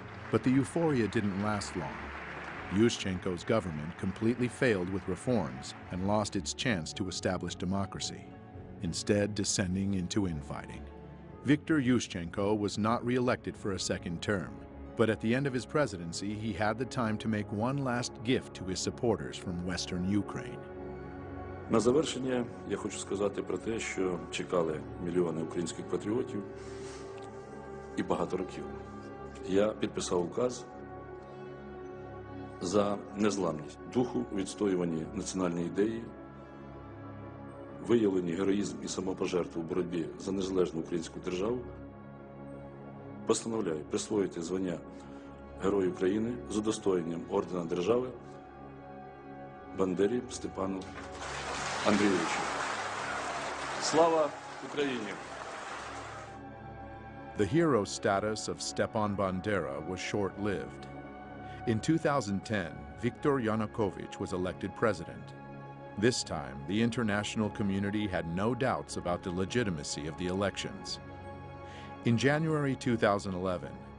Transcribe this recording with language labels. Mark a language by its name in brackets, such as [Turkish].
[English] But the euphoria didn't last long. Yushchenko's government completely failed with reforms and lost its chance to establish democracy, instead descending into infighting. Viktor Yushchenko was not re-elected for a second term, but at the end of his presidency, he had the time to make one last gift to his supporters from Western Ukraine. [Ukrainian] На завершення я хочу сказати про те, що чекали мільйони українських патріотів і багато років. Я підписав указ за незламність духу відстоювання національної ідеї, виявлені героїзм і самопожертву в боротьбі за незалежну українську державу. Постановляю присвоїти звання Герой України з удостоєнням Ордена Держави Бандері Степану Андрійовичу. Слава Україні! [English] The hero status of Stepan Bandera was short-lived. In 2010, Viktor Yanukovych was elected president. This time, the international community had no doubts about the legitimacy of the elections. In January 2011,